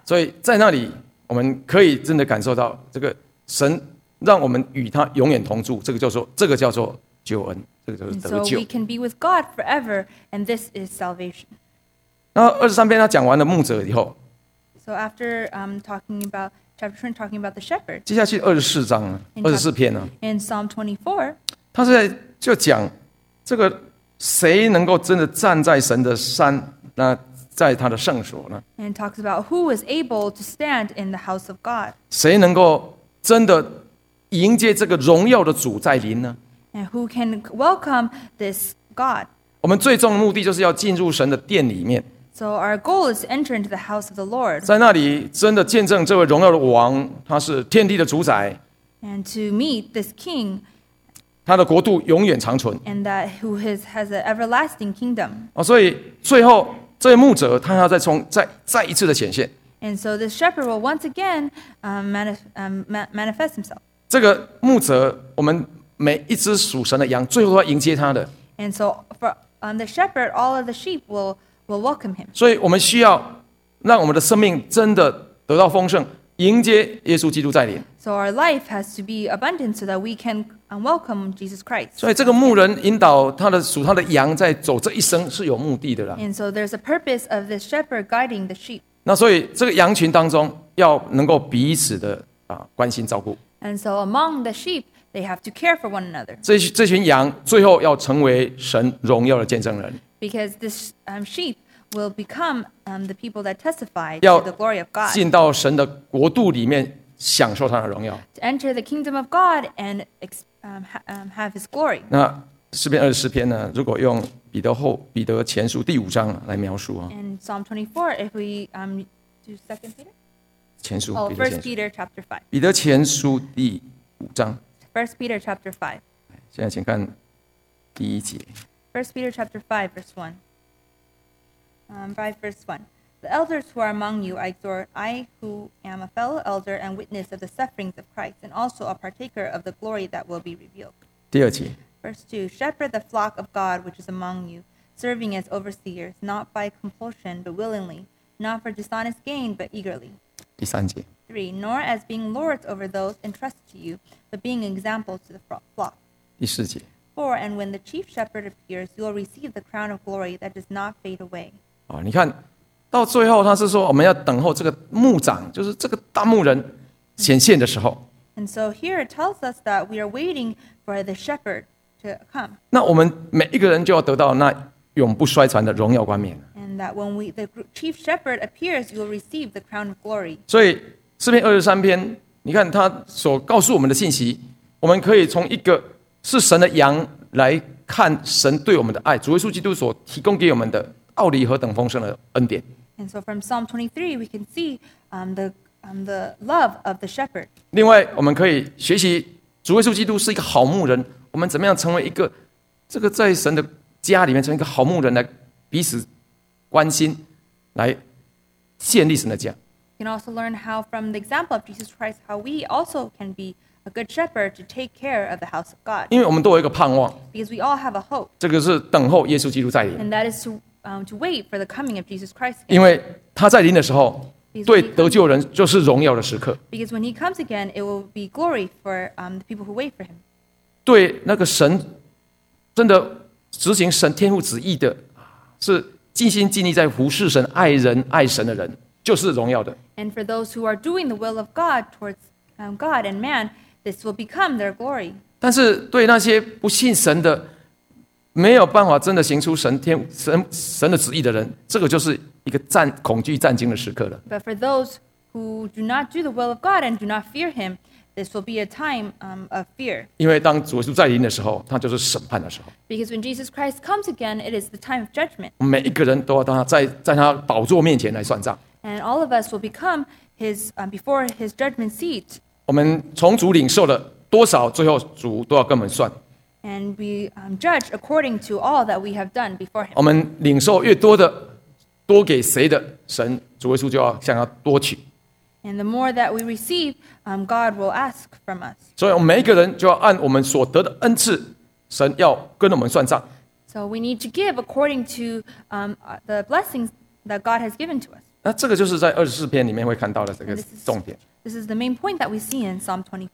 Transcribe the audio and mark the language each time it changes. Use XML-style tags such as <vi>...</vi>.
<zh>所以在那里，我们可以真的感受到这个神让我们与他永远同住。这个叫做救恩，这个就是得救。</zh> <en>And so we can be with God forever, and this is salvation.</en> <zh>然后二十三篇他讲完了牧者以后</zh> <en>，So after talking about chapter 20 talking about the shepherd，</en> <zh>接下去二十四章啊，二十四篇啊</zh> <en>，In Psalm 24，</en> <zh>他是在就讲这个谁能够真的站在神的山，那在他的圣所呢</zh> <en>？And talks about who is able to stand in the house of God，</en> <zh>谁能够真的迎接这个荣耀的主在临呢</zh> <en>？And who can welcome this God？</en> <zh>我们最终的目的就是要进入神的殿里面。</zh> <en>So our goal is to enter into the house of the Lord.</en> <zh>在那里真的见证这位荣耀的王，他是天地的主宰。</zh> <en>And to meet this king.</en> <zh>他的国度永远长存。</zh> <en>And that who has an everlasting kingdom.</en> <zh>所以最后这位牧者他要再一次的显现。</zh> <en>And so this shepherd will once again manifest himself.</en> <zh>这个牧者，我们每一只属神的羊，最后都要迎接他的。</zh> <en>And so for the shepherd, all of the sheep will welcome him.</en> <zh>所以我们需要让我们的生命真的得到丰盛，迎接耶稣基督再临。</zh> <en>So our life has to be abundant so that we can welcome Jesus Christ.</en> <zh>所以这个牧人引导他的属他的羊在走这一生是有目的的啦。</zh> <en>And so there's a purpose of this shepherd guiding the sheep.</en> <zh>那所以这个羊群当中要能够彼此的关心照顾。</zh> <en>And so among the sheep. They have to care for one another.</en> <zh>这群羊最后要成为神荣耀的见证人。</zh> <en>Because this sheep will become the people that testify to the glory of God.</en> <zh>进到神的国度里面，享受他的荣耀。</zh> <en>To enter the kingdom of God and have His glory.</en> <zh>那诗篇二十四篇呢？如果用彼得前书第五章来描述啊。</zh> <en>And Psalm 24, if we do Second Peter.</en> <zh>前书。</zh> <en>Oh, First Peter chapter 5.</en> <zh>彼得前书第五章。</zh> <en>First Peter chapter 5.</en> <zh>现在请看第一节。</zh> <en>First Peter chapter 5 verse 1. 5 verse 1. The elders who are among you, I exhort, I who am a fellow elder and witness of the sufferings of Christ, and also a partaker of the glory that will be revealed.</en> <zh>第二节。</zh> <en>Verse 2. Shepherd the flock of God which is among you, serving as overseers, not by compulsion, but willingly, not for dishonest gain, but eagerly.</en> <zh>第三节。</zh> <en>3. Nor as being lords over those entrusted to you, but being examples to the flock.</en> <zh>第四节。</zh> <en>24, and when the chief shepherd appears, you will receive the crown of glory that does not fade away.</en> <zh>你看到最后他是说我们要等候这个牧长就是这个大牧人显现的时候。</zh> <en>And so here it tells us that we are waiting for the shepherd to come.</en> <zh>那我们每一个人就要得到那永不衰残的荣耀冠冕。</zh> <en>And that when the chief shepherd appears, you will receive the crown of glory.</en> <zh>所以诗篇二十三篇你看他所告诉我们的信息我们可以从一个是神的羊来看神对我们的爱主耶稣基督所提供给我们的奥利和等丰盛的恩典。</zh> <en>And so from Psalm 23, we can see the love of the shepherd.</en> <zh>另外我们可以学习主耶稣基督是一个好牧人我们怎么样成为一个这个在神的家里面成为一个好牧人来彼此关心来建立神的家。</zh> <en>You can also learn how from the example of Jesus Christ how we also can be a good shepherd to take care of the house of God.</en> <zh>因为我们都有一个盼望。</zh> <en>Because we all have a hope.</en> <zh>这个是等候耶稣基督再临。</zh> <en>And that is to wait for the coming of Jesus Christ again.</en> <zh>因为他再临的时候对得救人就是荣耀的时刻。</zh> <en>Because when he comes again, it will be glory for the people who wait for him.</en> <zh>对那个神真的执行神天父旨意的是尽心尽力在服侍神爱人爱神的人。就是荣耀的。</zh> <en>And for those who are doing the will of God towards God and man, this will become their glory.</en> <zh>但是对那些不信神的，没有办法真的行出神的旨意的人，这个就是一个恐惧战惊的时刻了。</zh> <en>But for those who do not do the will of God and do not fear Him, this will be a time of fear.</en> <zh>因为当主耶稣再临的时候，他就是审判的时候。</zh> <en>Because when Jesus Christ comes again, it is the time of judgment.</en> <zh>每一个人都要在他宝座面前来算账。</zh> <en>And all of us will become his before his judgment seat.</en> <zh>我们从主领受了多少，最后主都要跟我们算。</zh> <en>And we judge according to all that we have done before him.</en> <zh>我们领受越多的，多给谁的，神主耶稣就要向他多取。</zh> <en>And the more that we receive, God will ask from us.</en> <zh>所以我们每一个人就要按我们所得的恩赐，神要跟我们算账。</zh> <en>So we need to give according to the blessings that God has given to us.</en> <zh>那这个就是在二十四篇里面会看到的这个重点。</zh> <en>This is the main point that we see in Psalm 24.</en>